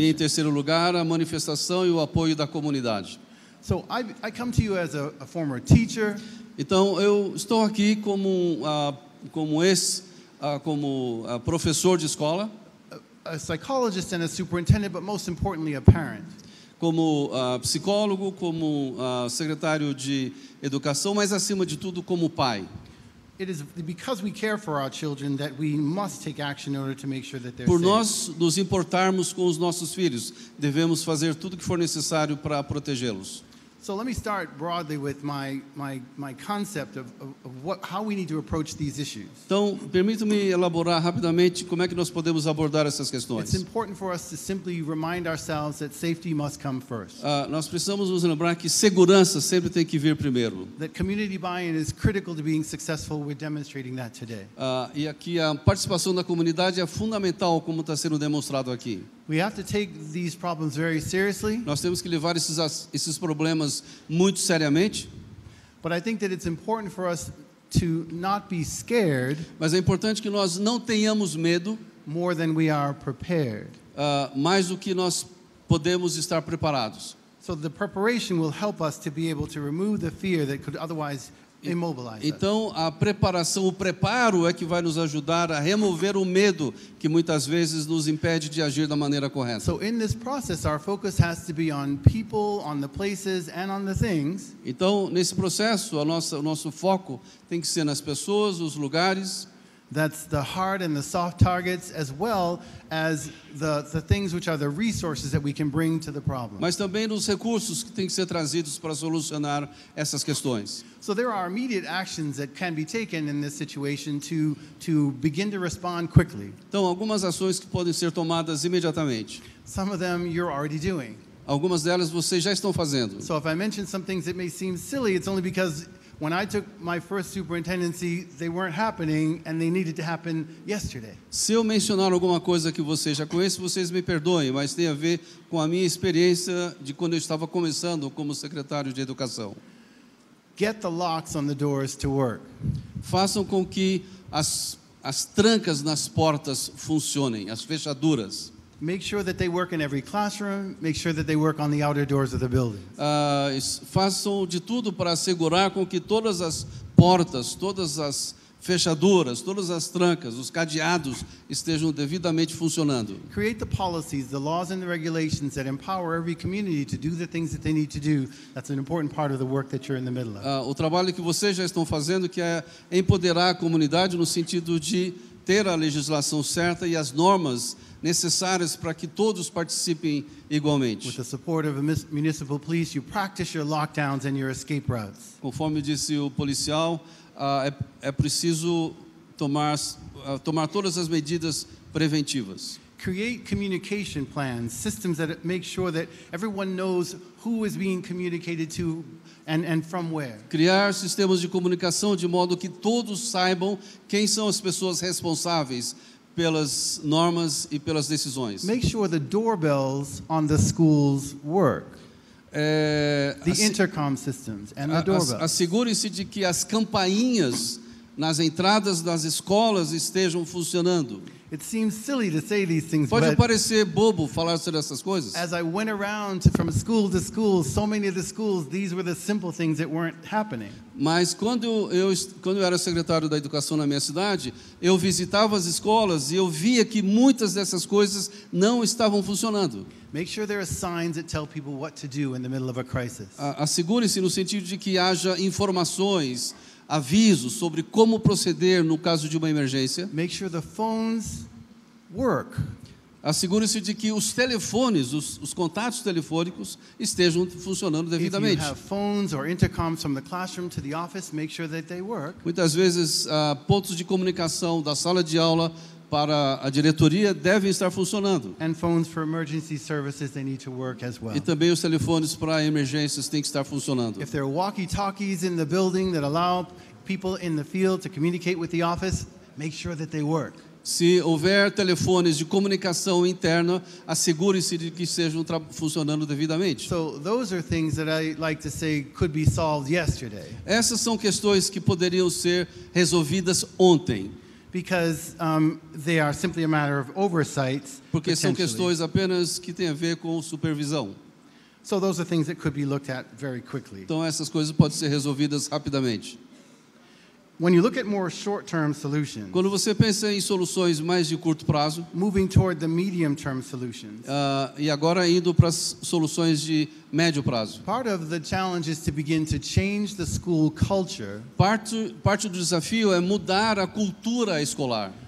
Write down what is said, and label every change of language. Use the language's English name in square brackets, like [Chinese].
[Portuguese] E em terceiro lugar, a manifestação e o apoio da comunidade. [English] So I come to you as a former teacher. [Portuguese] Então eu estou aqui como professor de escola, [English] a psychologist and a superintendent, but most importantly a parent. [Portuguese] Como psicólogo, como secretário de educação, mas acima de tudo como pai. [English] It is because we care for our children that we must take action in order to make sure that they're safe. [Portuguese] Por nós nos importarmos com os nossos filhos, devemos fazer tudo que for necessário para protegê-los. [English] So let me start broadly with my concept of what how we need to approach these issues. [Portuguese] Então, permita-me elaborar rapidamente como é que nós podemos abordar essas questões. [English] It's important for us to simply remind ourselves that safety must come first. [Portuguese] Nós precisamos nos lembrar que segurança sempre tem que vir primeiro. [English] That community buy-in is critical to being successful. We're demonstrating that today. [Portuguese] E aqui a participação da comunidade é fundamental, como está sendo demonstrado aqui. [English] We have to take these problems very seriously. [Portuguese] Nós temos que levar esses problemas muito seriamente. [English] But I think that it's important for us to not be scared. [Portuguese] Mas é importante que nós não tenhamos medo. [English] More than we are prepared. [Portuguese] Mais do que nós podemos estar preparados. [English] So the preparation will help us to be able to remove the fear that could otherwise immobilize us. [Portuguese] Então a preparação, o preparo é que vai nos ajudar a remover o medo que muitas vezes nos impede de agir da maneira correta. [English] So in this process our focus has to be on people, on the places and on the things. [Portuguese] Então nesse processo o nosso foco tem que ser nas pessoas, os lugares. [English] That's the hard and the soft targets, as well as the things which are the resources that we can bring to the problem. [Portuguese] Mas também nos recursos que têm que ser trazidos para solucionar essas questões. [English] So there are immediate actions that can be taken in this situation to begin to respond quickly. [Portuguese] Então, algumas ações que podem ser tomadas imediatamente. [English] Some of them you're already doing. [Portuguese] Algumas delas vocês já estão fazendo. [English] So if I mention some things that may seem silly, it's only because when I took my first superintendency, they weren't happening, and they needed to happen yesterday. [Portuguese] Se eu mencionar alguma coisa que vocês já conhecem, vocês me perdoem, mas tem a ver com a minha experiência de quando eu estava começando como secretário de educação. [English] Get the locks on the doors to work. [Portuguese] Façam com que as trancas nas portas funcionem, as fechaduras. [English] Make sure that they work in every classroom. Make sure that they work on the outer doors of the building. [Portuguese] Façam de tudo para assegurar com que todas as portas, todas as fechaduras, todas as trancas, os cadeados estejam devidamente funcionando. [English] Create the policies, the laws and the regulations that empower every community to do the things that they need to do. That's an important part of the work that you're in the middle of. [Portuguese] O trabalho que vocês já estão fazendo, que é empoderar a comunidade no sentido de ter a legislação certa e as normas necessárias para que todos participem igualmente. [English] With the support of a municipal police, you practice your lockdowns and your escape routes. [Portuguese] Conforme disse o policial, é preciso tomar todas as medidas preventivas. [English] Create communication plans, systems that make sure that everyone knows who is being communicated to and from where. [Portuguese] Criar sistemas de comunicação de modo que todos saibam quem são as pessoas responsáveis pelas normas e pelas decisões. [English] Make sure the doorbells on the schools work. The intercom systems and the doorbells. [Portuguese] Assegure-se de que as campainhas nas entradas das escolas estejam funcionando. [English] It seems silly to say these things, [Portuguese] pode [English] but [Portuguese] parecer bobo falar sobre essas coisas. [English] As I went around from school to school, so many of the schools, these were the simple things that weren't happening. [Portuguese] Mas quando eu era secretário da educação na minha cidade, eu visitava as escolas e eu via que muitas dessas coisas não estavam funcionando. [English] Make sure there are signs that tell people what to do in the middle of a crisis. [Portuguese] Assegure-se no sentido de que haja informações, avisos sobre como proceder no caso de uma emergência. [English] Make sure the phones work. [Portuguese] Assegure-se de que os telefones, os contatos telefônicos estejam funcionando devidamente. [English] If you have phones or intercoms from the classroom to the office, make sure that they work. [Portuguese] Muitas vezes, pontos de comunicação da sala de aula para a diretoria devem estar funcionando. [English] And phones for emergency services, they need to work as well. [Portuguese] E também os telefones para emergências têm que estar funcionando. [English] If there are walkie-talkies in the building that allow people in the field to communicate with the office, make sure that they work. [Portuguese] Se houver telefones de comunicação interna, assegure-se de que estejam funcionando devidamente. [English] So those are things that I like to say could be solved yesterday. [Portuguese] Essas são questões que poderiam ser resolvidas ontem. [English] Because they are simply a matter of oversight. [Portuguese] Porque são questões apenas que têm a ver com supervisão. [English] So those are things that could be looked at very quickly. [Portuguese] Então essas coisas podem ser resolvidas rapidamente. [English] When you look at more short-term solutions, [Portuguese] quando você pensa em soluções mais de curto prazo, [English] moving toward the medium-term solutions, [Portuguese] e agora indo para as soluções de médio prazo. [English] Part of the challenge is to begin to change the school culture. [Portuguese] Parte do desafio é mudar a cultura escolar.